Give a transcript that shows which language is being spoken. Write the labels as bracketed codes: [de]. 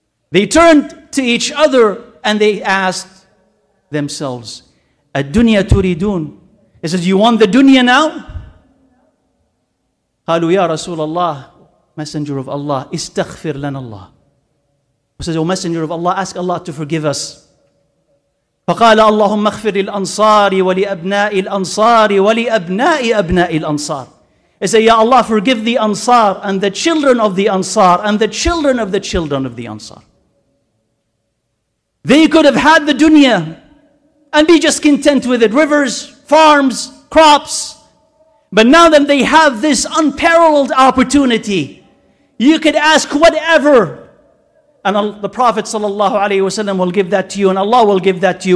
[en] They turned to each other and they asked themselves, [ar] "Ad-dunya turidun?" [en] He says, "You want the dunya now?" [ar] "Qalu ya Rasulullah, [en] Messenger of Allah, [ar] istaghfir lana Allah." [en] He says, "O Messenger of Allah, ask Allah to forgive us." [ar] فقال اللهم اغفر للأنصار ولأبناء الأنصار ولأبناء أبناء الأنصار. [en] He said, Ya Allah, forgive the Ansar and the children of the Ansar and the children of the children of the Ansar. They could have had the dunya and be just content with it. Rivers, farms, crops. But now that they have this unparalleled opportunity, you could ask whatever, and the Prophet ﷺ will give that to you, and Allah will give that to you.